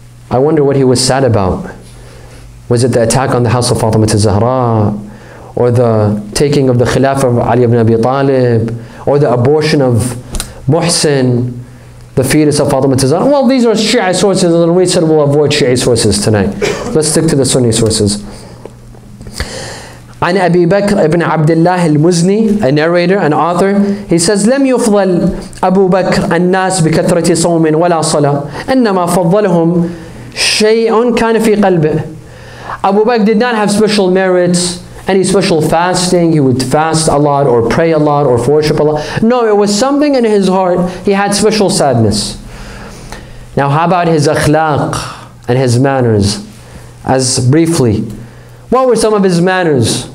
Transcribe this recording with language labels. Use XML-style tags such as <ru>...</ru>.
<en>I wonder what he was sad about. Was it the attack on the house of Fatima al-Zahra? Or the taking of the Khilafah of Ali ibn Abi Talib, or the abortion of Muhsin, the fetus of Fatima al-Zahra. Well, these are Shia sources, and we said we'll avoid Shia sources tonight. Let's stick to the Sunni sources.</en> <ar>عن أبي بكر ابن عبد الله المزني,</ar> <en>a narrator, an author, he says,</en> <ar>لم يفضل أبو بكر الناس بكثرة صوم ولا صلاة, إنما فضلهم شيء كان في قلبه.</ar> <en>Abu Bakr did not have special merits, any special fasting. He would fast a lot or pray a lot or worship a lot. No, it was something in his heart. He had special sadness. Now, how about his akhlaq and his manners? As briefly, what were some of his manners?</en>